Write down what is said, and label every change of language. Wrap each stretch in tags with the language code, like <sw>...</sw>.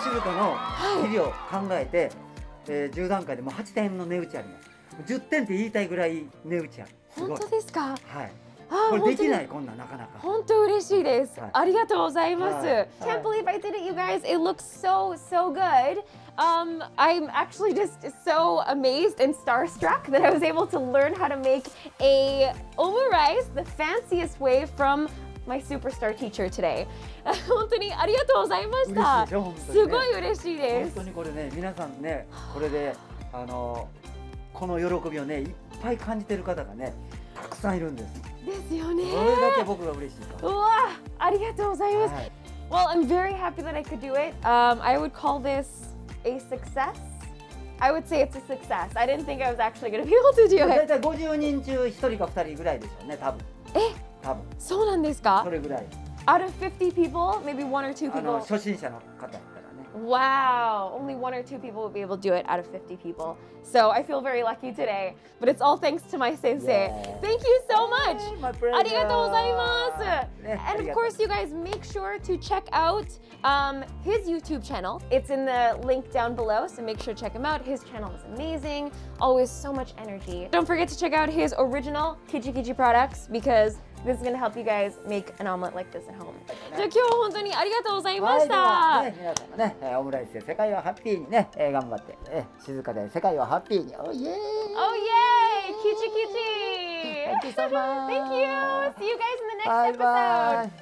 <ja>しずかの日々を考えて、はい、10段階でも8点の値打ちあります。 10点って言いたいぐらい値打ちある。本当ですか？はい。ああ、これできない、こんな、なかなか。本当嬉しいです、はい、ありがとうございます、はい、</ja> <en>Can't believe I did it, you guys! It looks so, so goodI'm actually just so amazed and starstruck that I was able to learn how to make a omurice, the fanciest way, from my superstar teacher today.</en> <ja>本当にありがとうございました。ですよ、本当にね。すごい嬉しいです。本当にこれね、皆さんね、これで、この喜びをね、いっぱい感じてる方がね、たくさんいるんです。ですよね。それだけ僕が嬉しいから。うわ、ありがとうございます。</ja> <en>はい、Well, I'm very happy that I could do it. I would call this a success. I would say it's a success. I didn't think I was actually going to be able to do it.</en> <ja>大体50人中1人か2人ぐらいでしょうね、多分。え？多分。そうなんですか？それぐらい。</ja> <en>Out of 50 people, maybe one or two people.</en> <ja>初心者の方だったらね。</ja> <en>Wow! Only one or two people would be able to do it out of 50 people. So I feel very lucky today. But it's all thanks to my sensei. Yeah. Thank you so much! Hey, my pleasure!</en> <ja>ありがとうございます!</ja> <en>And of course, you guys, make sure to check out his YouTube channel. It's in the link down below, so make sure to check him out. His channel is amazing. Always so much energy. Don't forget to check out his original Kichi Kichi products, because this is going to help you guys make an omelet like this at home.</en> <ja>じゃあ今日は本当にありがとうございました。皆さんね、オムライスで世界をハッピーにね、頑張って。静かで世界をハッピーに。</ja> <en>Oh, yay! Oh, yay! Kichi Kichi! Thank you so much! Thank you! See you guys in the next episode!</en>